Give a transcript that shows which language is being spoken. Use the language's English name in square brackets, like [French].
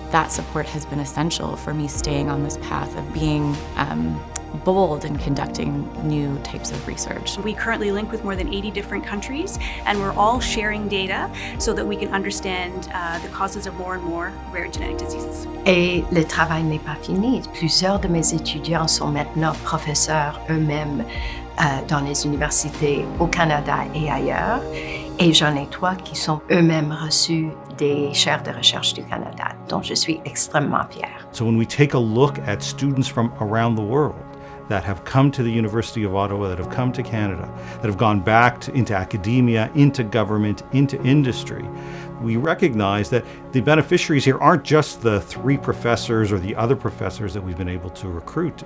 [English] That support has been essential for me staying on this path of being bold in conducting new types of research. We currently link with more than 80 different countries, and we're all sharing data so that we can understand the causes of more and more rare genetic diseases. [French] Et le travail n'est pas fini. Plusieurs de mes étudiants sont maintenant professeurs eux-mêmes dans les universités au Canada et ailleurs, et j'en ai trois qui sont eux-mêmes reçus des chaires de recherche du Canada, dont je suis extrêmement fière. [English] So when we take a look at students from around the world that have come to the University of Ottawa, that have come to Canada, that have gone back into academia, into government, into industry, we recognize that the beneficiaries here aren't just the three professors or the other professors that we've been able to recruit.